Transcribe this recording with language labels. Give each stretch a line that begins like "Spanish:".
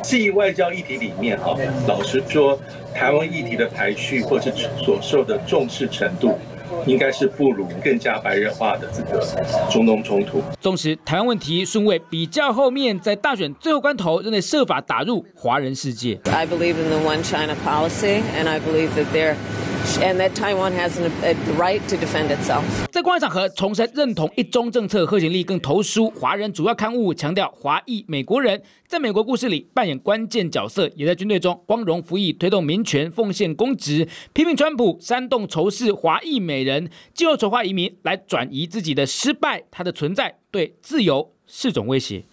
Chinese: 基于外交议题里面啊，老实说，台湾议题的排序或是所受的重视程度。应该是不如更加白热化的这个中东冲突。纵使台湾问题顺位比较后面，在大选最后关头仍得设法打入华人世界。
English: I believe in the one China policy, and I believe that there, and that Taiwan has a right to defend itself.
Chinese: 在公开场合重申认同一中政策，贺锦丽更投书华人主要刊物，强调华裔美国人在美国故事里扮演关键角色，也在军队中光荣服役，推动民权，奉献公职，批评川普煽动仇视华裔美人，借由丑化移民来转移自己的失败，他的存在对自由是种威胁。